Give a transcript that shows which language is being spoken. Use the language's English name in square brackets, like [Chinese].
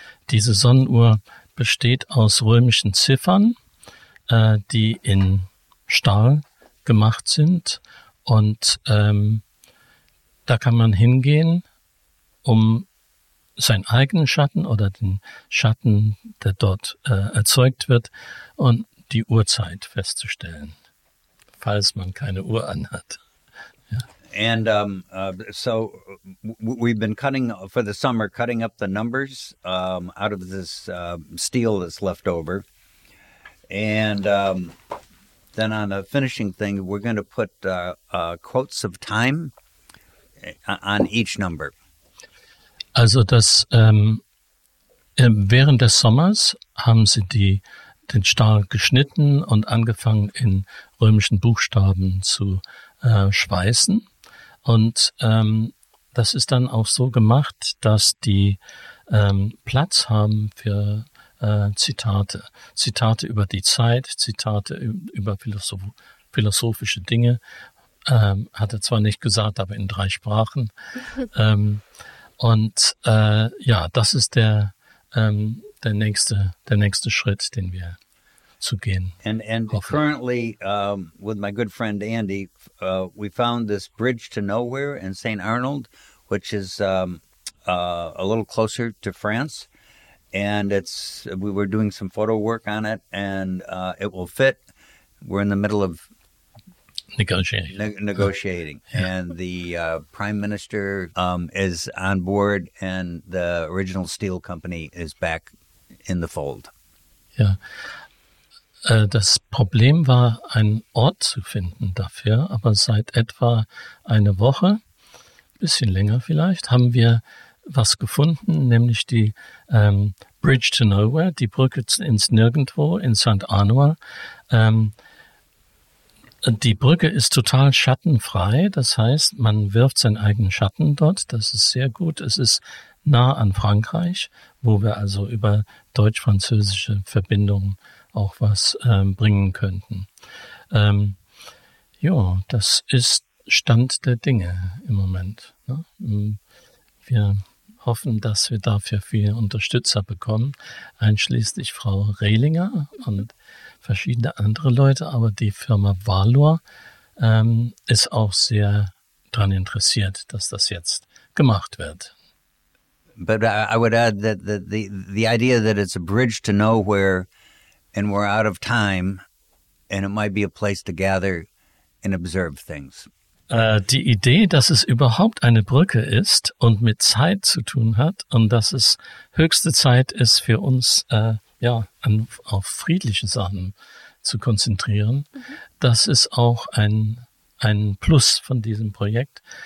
[German] Diese Sonnenuhr besteht aus römischen Ziffern, die in Stahl gemacht sind, und da kann man hingehen, um seinen eigenen Schatten oder den Schatten, der dort erzeugt wird, und die Uhrzeit festzustellen, falls man keine Uhr anhat. Ja. [English] And so we've been cutting for the summer, cutting up the numbers out of this steel that's left over. And then on the finishing thing, we're going to put quotes of time on each number. [German] Also das, während des Sommers haben sie den Stahl geschnitten und angefangen, in römischen Buchstaben zu schweißen. Und das ist dann auch so gemacht, dass die Platz haben für Zitate über die Zeit, Zitate über philosophische Dinge, hat er zwar nicht gesagt, aber in drei Sprachen. Und ja, das ist der der nächste Schritt, den wir zu gehen. [English] And currently with my good friend Andy, we found this bridge to nowhere in St. Arnold, which is a little closer to France. And it's, we were doing some photo work on it, and it will fit. We're in the middle of negotiating. Yeah. And the prime minister is on board, and the original steel company is back in the fold. Yeah. [German] Das Problem war, einen Ort zu finden dafür, aber seit etwa eine Woche, bisschen länger vielleicht, haben wir was gefunden, nämlich die Bridge to Nowhere, die Brücke ins Nirgendwo in St. Arnold. Die Brücke ist total schattenfrei, das heißt, man wirft seinen eigenen Schatten dort, das ist sehr gut. Es ist nah an Frankreich, wo wir also über deutsch-französische Verbindungen auch was bringen könnten. Ja, das ist Stand der Dinge im Moment. Ne? Wir hoffen, dass wir dafür viele Unterstützer bekommen, einschließlich Frau Rehlinger und verschiedene andere Leute, aber die Firma Valor ist auch sehr daran interessiert, dass das jetzt gemacht wird. [English] But I would add that the idea that it's a bridge to nowhere and we're out of time and it might be a place to gather and observe things. [German] Die Idee, dass es überhaupt eine Brücke ist und mit Zeit zu tun hat und dass es höchste Zeit ist für uns, ja, auf friedliche Sachen zu konzentrieren, das ist auch ein Plus von diesem Projekt.